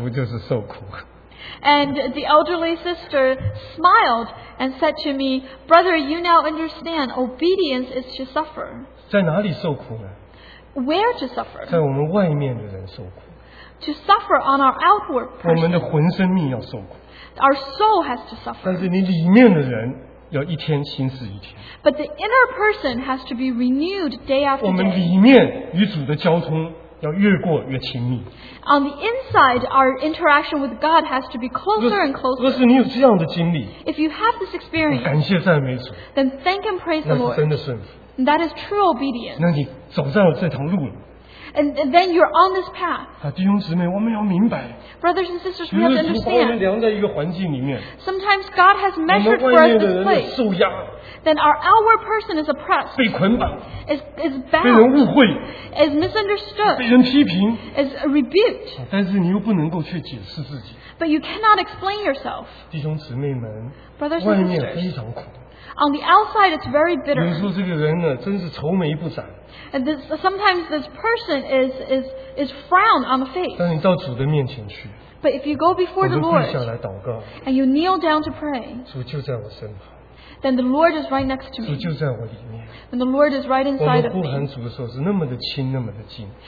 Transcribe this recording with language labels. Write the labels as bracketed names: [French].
[Chinese] 那天我讲完了，这位年长姊妹笑眯眯的，她说：“弟兄，你现在明白了，顺服就是受苦。” And [English] the elderly sister smiled and said to me, "Brother, you now understand. Obedience is to suffer." [Chinese] 在哪里受苦呢？ [English] Where to suffer? [Chinese] 在我们外面的人受苦。 [English] To suffer on our outward person. [Chinese] 我们的魂生命要受苦。 [English] Our soul has to suffer. [Chinese] 但是你里面的人要一天心思一天。 [English] But the inner person has to be renewed day after day. [Chinese] 我们里面与主的交通要越过越亲密。 [English] On the inside, our interaction with God has to be closer and closer. [Chinese] 若是你有这样的经历, [English] if you have this experience, [Chinese] 感谢赞美主, [English] then thank and praise the Lord. [Chinese] 那是真的顺服。 [English] That is true obedience. [Chinese] 那你走上了这条路了。 [English] And then you're on this path. [Chinese] 弟兄姊妹，我们要明白。 [English] Brothers and sisters, we have to understand. Sometimes God has measured for us this place. Then our outward person is oppressed. [Chinese] 被捆绑, [English] is bound. [Chinese] 被人误会, [English] is misunderstood. [Chinese] 被人批评, [English] is rebuked. [Chinese] 但是你又不能够去解释自己。 [English] But you cannot explain yourself. [Chinese] 弟兄姊妹们, [English] Brothers and sisters, [Chinese] 外面非常苦。 [English] On the outside, it's very bitter. [Chinese] 有时候这个人呢, 真是愁眉不展。 [English] And this, sometimes this person is frowned on the face. [Chinese] 但你到主的面前去, [English] but if you go before the Lord, and you kneel down to pray, [Chinese] 主就在我身旁, [English] then the Lord is right next to me. [Chinese] 主就在我里面, [English] and the Lord is right inside of me. [Chinese] 我们呼喊主的时候是那么的亲, 那么的近,